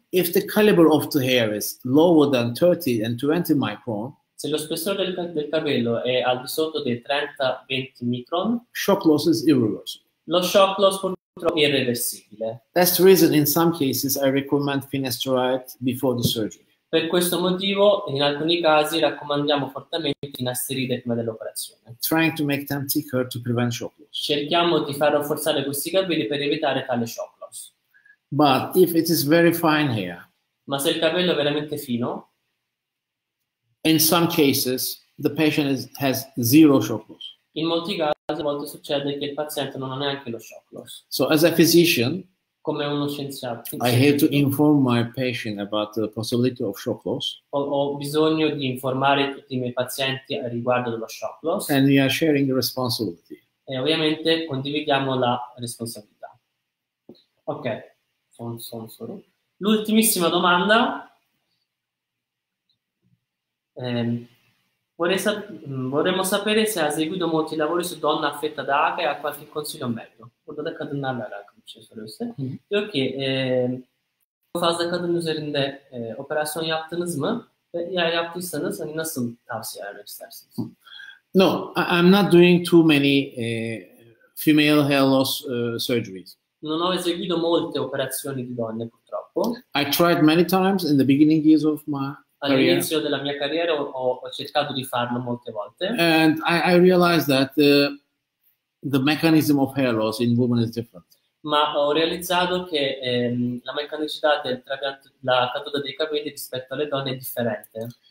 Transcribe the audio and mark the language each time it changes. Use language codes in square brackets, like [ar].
[en] if the caliber of the hair is lower than 30 and 20 micron, [it] Se lo spessore del capello è al di sotto dei 30-20 micron, lo [en] shock loss is irreversible. [it] shock loss purtroppo è irreversibile. [en] That's the reason in some cases I recommend finasteride before the surgery. [it] Per questo motivo, in alcuni casi, raccomandiamo fortemente di inasterire prima dell'operazione. [en] Trying to make them thicker to prevent shock loss. [it] Cerchiamo di far rafforzare questi capelli per evitare tale shock loss. [en] But if it is very fine hair, [it] Ma se il capello è veramente fino, [en] in some cases the patient has zero shock loss. [it] in molti casi, a volte succede che il paziente non ha neanche lo shock loss. [en] So, as a physician, [it] Come uno scienziato, [en] I have to inform my patient about the possibility of shock loss. [it] ho bisogno di informare tutti i miei pazienti riguardo dello shock loss. [en] And we are sharing the responsibility. [it] E ovviamente condividiamo la responsabilità. Ok, sono solo. L'ultimissima domanda. Un Vorremmo sapere se ha seguito molti lavori su donna affetta da HIV e ha qualche consiglio in merito. [tr] Burada kadınlarla alakalı bir şey soruyorsa. Diyor ki, fazla kadın üzerinde operasyon yaptınız mı? Ve eğer yaptıysanız hani nasıl tavsiye vermek istersiniz? [en] No, I'm not doing too many female hair loss surgeries. [it] Non ho eseguito molte operazioni di donne, purtroppo. [en] I tried many times in the beginning years of my career. [it] All'inizio della mia carriera ho cercato di farlo molte volte. [en] And I realized that the mechanism of hair loss in women is different. [it] Ma ho realizzato che la meccanicità del trapianto, la caduta dei capelli rispetto alle donne è differente.